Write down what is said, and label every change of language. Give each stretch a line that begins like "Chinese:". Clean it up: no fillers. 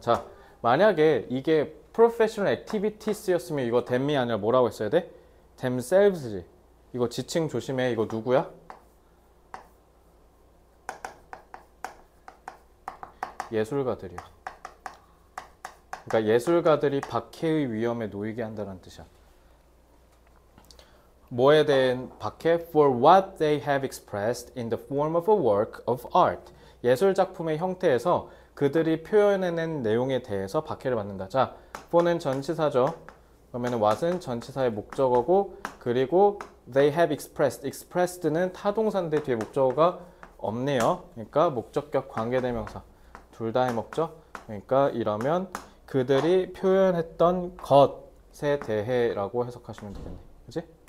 Korean: 자, 만약에 이게 professional activities였으면 이거 댐이 아니라 뭐라고 했어야 돼? themselves지. 이거 지칭 조심해. 이거 누구야? 예술가들이야. 그러니까 예술가들이 박해의 위험에 놓이게 한다는 뜻이야. 뭐에 대한 박해?
English: For what they have expressed in the form of a work of art.
Korean: 예술 작품의 형태에서 그들이 표현해낸 내용에 대해서 박해를 받는다. 자, for는 전치사죠. 그러면 what은 전치사의 목적어고 그리고 they have expressed. expressed는 타동사인데 뒤에 목적어가 없네요. 그러니까 목적격 관계대명사. 둘 다 해먹죠? 그러니까 이러면 그들이 표현했던 것에 대해 라고 해석하시면 되겠네. 그치?